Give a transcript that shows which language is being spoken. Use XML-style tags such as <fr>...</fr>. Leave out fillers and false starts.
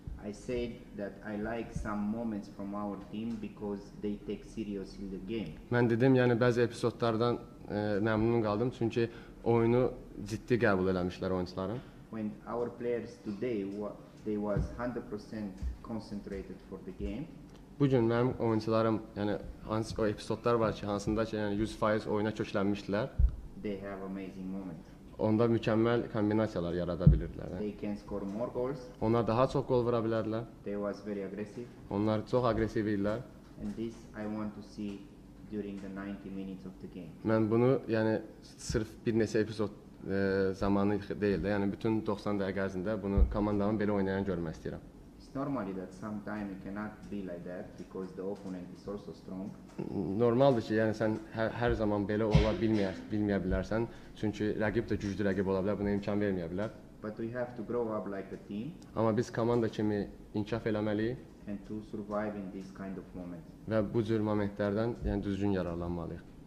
<en>I said that I like some moments from our team because they take seriously the game.</en> <tr>Ben dedim yani bazı episodlardan memnun kaldım çünkü oyunu ciddi kabul etmişler oyuncuların.</tr> <en>When our players today they was 100% concentrated for the game.</en> <az>Bugün benim oyuncularım yani hansı o episodlar var ki hansında ki yani 100% oyuna köklenmişler.</az> <en>They have amazing moments.</en> <tr>Onda mükemmel kombinasyalar yaratabilirler.</tr> <en>They can score more goals.</en> <tr>Onlar daha çok gol vurabilirler.</tr> <en>They was very aggressive.</en> <tr>Onlar çok agresif idiler.</tr> <en>And this I want to see during the 90 minutes of the game.</en> <az>Ben bunu yani sırf bir neçə episod zamanı deyil de yani bütün 90 dəqiqə ərzində bunu komandamın belə oynayan görmək istəyirəm.</az> <en>Normally that sometimes it cannot be like that because the opponent is also strong.</en> <tr>Normaldır ki yani sen her zaman böyle olabilmeyebilirsen çünkü rakip de güçlü rakip olabilir, buna imkan vermeyebilir.</tr> <en>But we have to grow up like a team.</en> <az>Ama biz komanda kimi inkişaf eləməli.</az> <en>And to survive in this kind of moment.</en> <az>Və bu cür momentlərdən yani düzgün yararlanmalıyıq.</az>